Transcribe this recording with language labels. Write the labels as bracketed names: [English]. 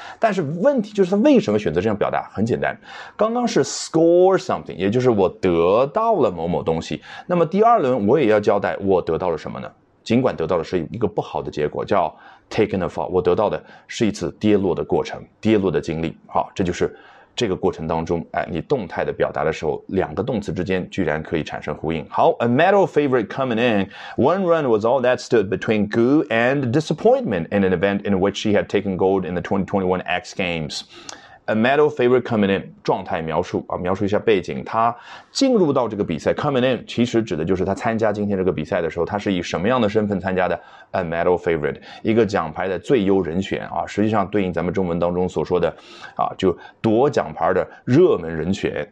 [Chinese] 但是问题就是他为什么选择这样表达，很简单，刚刚是 [English] score something， [Chinese] 也就是我得到了某某东西，那么第二轮我也要交代我得到了什么呢？尽管得到的是一个不好的结果，叫 [English] taken a fall， [Chinese] 我得到的是一次跌落的过程，跌落的经历。好，这就是这个过程当中，哎，你动态的表达的时候，两个动词之间居然可以产生呼应。 [English] 好 ，a medal favorite coming in. One run was all that stood between Gu and disappointment in an event in which she had taken gold in the 2021 X Games. A medal favorite coming in， [Chinese] 状态描述啊，描述一下背景。他进入到这个比赛 ， [English] coming in [Chinese] 其实指的就是他参加今天这个比赛的时候，他是以什么样的身份参加的 ？ [English] A medal favorite， [Chinese] 一个奖牌的最优人选啊，实际上对应咱们中文当中所说的啊，就夺奖牌的热门人选。